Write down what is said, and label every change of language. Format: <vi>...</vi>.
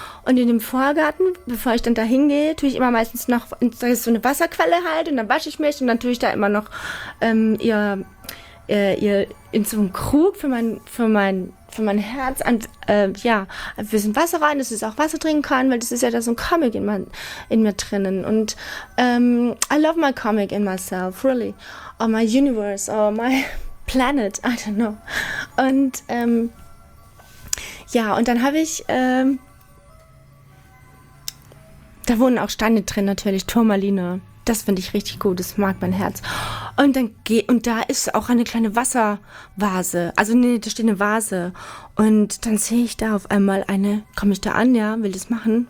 <de>Und in dem Vorgarten, bevor ich dann da hingehe, tue ich immer meistens noch, da ist so eine Wasserquelle halt, und dann wasche ich mich und dann tue ich da immer noch ihr in so einen Krug für mein Herz und ein bisschen Wasser rein, dass es auch Wasser trinken kann, weil das ist ja da so ein Comic in mir drinnen.</de> <en>Und I love my comic in myself, really. Or my universe, or my planet, I don't know.</en> <de>Und und dann habe ich, da wohnen auch Steine drin natürlich, Turmaline. Das finde ich richtig gut, das mag mein Herz. Und dann und da ist auch eine kleine Wasservase. Also nee, da steht eine Vase. Und dann sehe ich da auf einmal eine, komme ich da an, ja, will das machen.</de>